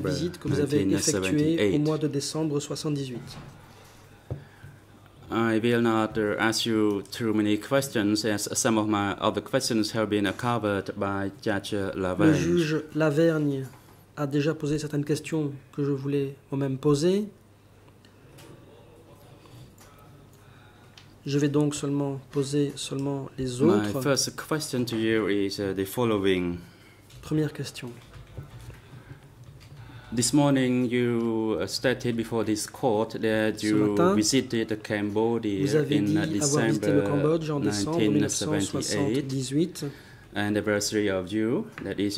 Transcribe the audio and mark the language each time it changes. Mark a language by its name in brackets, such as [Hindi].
[French] de la visite que vous avez effectuée au mois de décembre 78. [English] I will not ask you too many questions, as some of my other questions have been covered by Judge Lavergne. [French] Le juge Lavergne a déjà posé certaines questions que je voulais moi-même poser. Je vais donc seulement poser seulement les autres. [English] My first question to you is the following. [French] Première question. [English] This morning, you stated before this court that you [French] matin, [English] visited Cambodia in December 1978, anniversary of you, that is